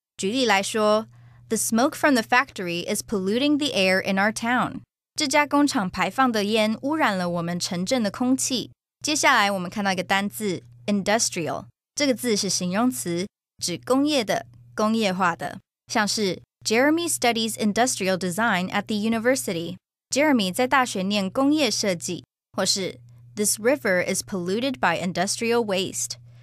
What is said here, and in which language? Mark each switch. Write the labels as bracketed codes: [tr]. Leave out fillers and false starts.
[zh] 举例来说, [en] the smoke from the factory is polluting the air in our town. [zh] 这家工厂排放的烟污染了我们城镇的空气. 接下来我们看到一个单字, industrial. 这个字是形容词,指工业的,工业化的. 像是, [en] Jeremy studies industrial design at the university. [zh] Jeremy在大学念工业设计. 或是, [en] this river is polluted by industrial waste.